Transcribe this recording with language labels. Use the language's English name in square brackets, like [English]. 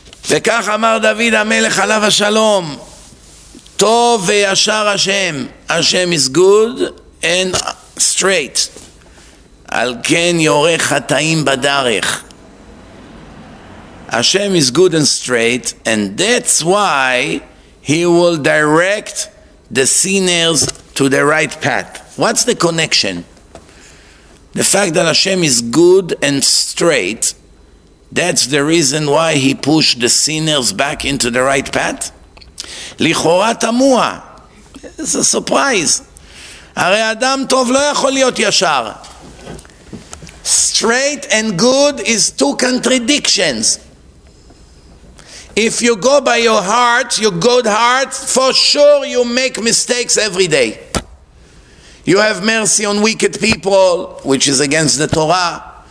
[Hebrew] וכך אמר דוד המלך עליו השלום, טוב וישר השם, השם [English] is good and straight, [Hebrew] על כן יורך חטאים בדרך. [English] השם is good and straight, and that's why he will direct the sinners to the right path. What's the connection? The fact that Hashem is good and straight, that's the reason why he pushed the sinners back into the right path. [Hebrew] לכאורה תמוה. [English] It's a surprise. [Hebrew] הרי אדם טוב לא יכול להיות ישר. [English] Straight and good is two contradictions. If you go by your heart, your good heart, for sure you make mistakes every day. You have mercy on wicked people, which is against the Torah.